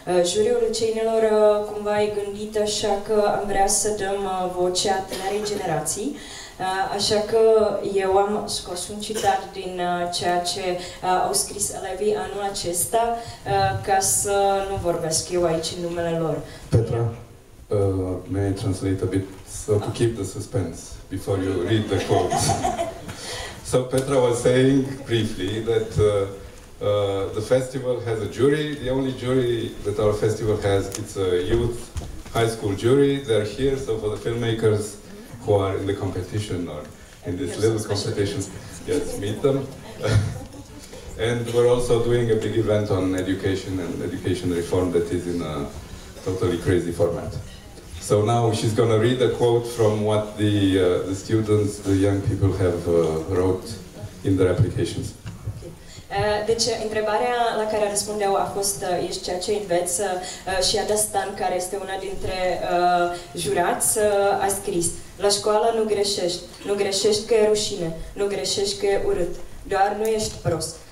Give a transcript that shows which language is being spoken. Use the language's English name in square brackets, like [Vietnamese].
[Romanian] Juriul liceinilor cumva e gândit așa că am vrea să dăm vocea tinerii generații. Așa că eu am scos un citat din ceea ce au scris elevii anul acesta, ca să nu vorbesc eu aici în numele lor. [English] Petra, may I translate a bit, so to keep the suspense before you read the quotes. So Petra was saying briefly that the festival has a jury, the only jury that our festival has, it's a youth high school jury, they're here, so for the filmmakers who are in the competition or in this little competition, yes, meet them. And we're also doing a big event on education and education reform that is in a totally crazy format. So now she's going to read a quote from what the students, the young people have wrote in their applications. [Romanian] Deci, întrebarea la care răspundeau a fost, ești ceea ce înveți? Și Ada Stan, care este una dintre jurați, a scris, la școală nu greșești, nu greșești că e rușine, nu greșești că e urât, doar nu ești prost.